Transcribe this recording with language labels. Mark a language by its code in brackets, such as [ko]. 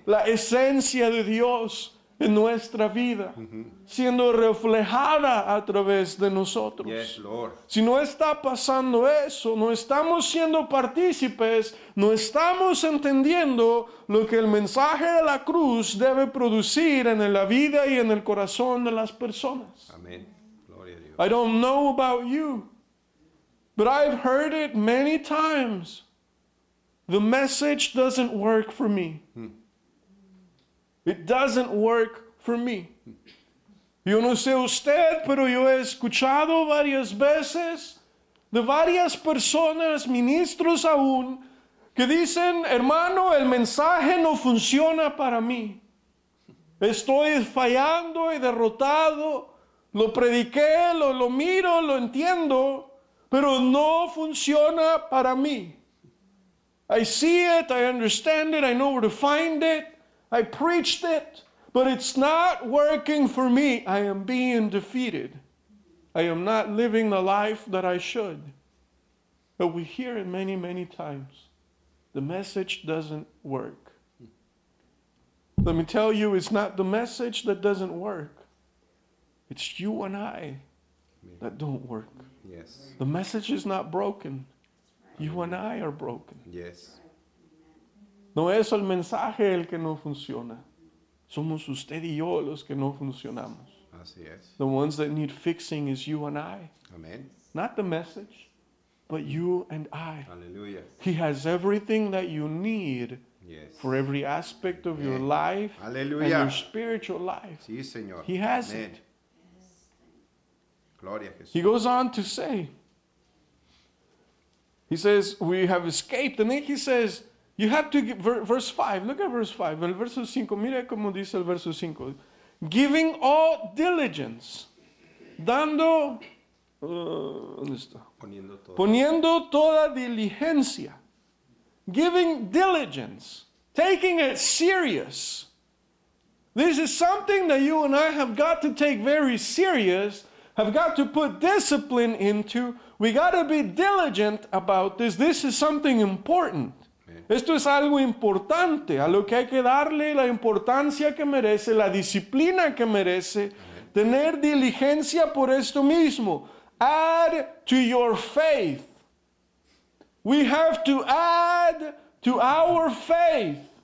[es] La esencia de Dios en nuestra vida, siendo reflejada a través de nosotros. [en] Yes, Lord. [es] Si no está pasando eso, no estamos siendo partícipes, no estamos entendiendo lo que el mensaje de la cruz debe producir en la vida y en el corazón de las personas. Amén. Gloria a Dios. [en] I don't know about you, but I've heard it many times. The message doesn't work for me. It doesn't work for me. [es] Yo no sé usted, pero yo he escuchado varias veces de varias personas, ministros aún, que dicen, hermano, el mensaje no funciona para mí. Estoy fallando y derrotado. Lo prediqué, lo miro, lo entiendo, pero no funciona para mí. [en] I see it, I understand it, I know where to find it. I preached it, but it's not working for me. I am being defeated. I am not living the life that I should. But we hear it many, many times. The message doesn't work. Let me tell you, it's not the message that doesn't work. It's you and I that don't work. Yes. The message is not broken. You and I are broken. Yes. [es] No es el mensaje el que no funciona. Somos usted y yo los que no funcionamos. Así es. [en] The ones that need fixing is you and I. Amen. Not the message, but you and I. [es] Aleluya. [en] He has everything that you need for every aspect of your life. [es] Aleluya. [en] And your spiritual life. [es] Sí, Señor. [en] He has it. [es] Gloria a Jesús. [en] He goes on to say, he says, we have escaped. And then he says, you have to give, verse 5, look at verse 5, [es] el verso 5, mira como dice el verso 5. [en] Giving all diligence, [es] dando, ¿dónde está? Poniendo toda diligencia. [en] Giving diligence, taking it serious. This is something that you and I have got to take very serious, have got to put discipline into. We got to be diligent about this. This is something important. [es] Esto es algo importante, a lo que hay que darle la importancia que merece, la disciplina que merece, tener diligencia por esto mismo. [en] Add to your faith. We have to add to our faith.